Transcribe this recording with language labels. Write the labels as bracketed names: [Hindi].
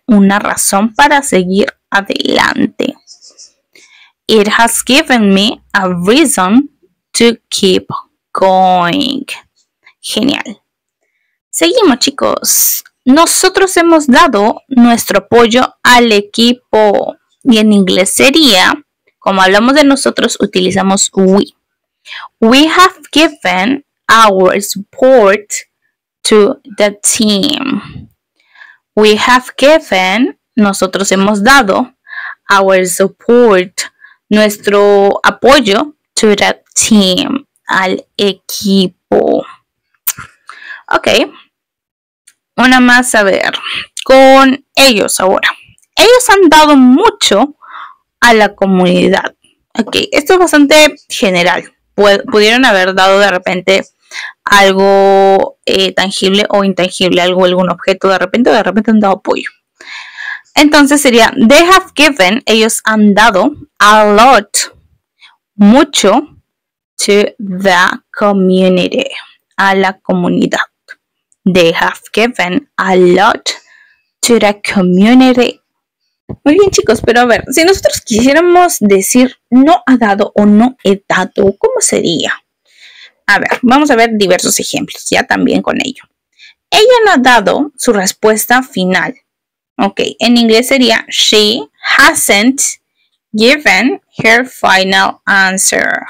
[Spanish] Una razón para seguir adelante. [English] It has given me a reason to keep going. Genial. [Spanish] Seguimos, chicos. Nosotros hemos dado nuestro apoyo al equipo. Y en inglés sería, como hablamos de nosotros, utilizamos we. [English] We have given our support to the team. We have given, [Spanish] nosotros hemos dado, [English] our support, [Spanish] nuestro apoyo, [English] to the team, [Spanish] al equipo. [English] Okay. [Spanish] Una más, a ver, con ellos ahora. Ellos han dado mucho a la comunidad. Okay, esto es bastante general. Pudieron haber dado de repente algo tangible o intangible, algo, algún objeto, de repente han dado apoyo. Entonces sería, [English] they have given, [Spanish] ellos han dado [English] a lot, [Spanish] mucho, [English] to the community, [Spanish] a la comunidad. [English] They have given a lot to the community. [Spanish] Muy bien, chicos, pero a ver, si nosotros quisiéramos decir no ha dado o no he dado, ¿cómo sería? A ver, vamos a ver diversos ejemplos ya también con ello. Ella no ha dado su respuesta final. Ok, en inglés sería [English] she hasn't given her final answer.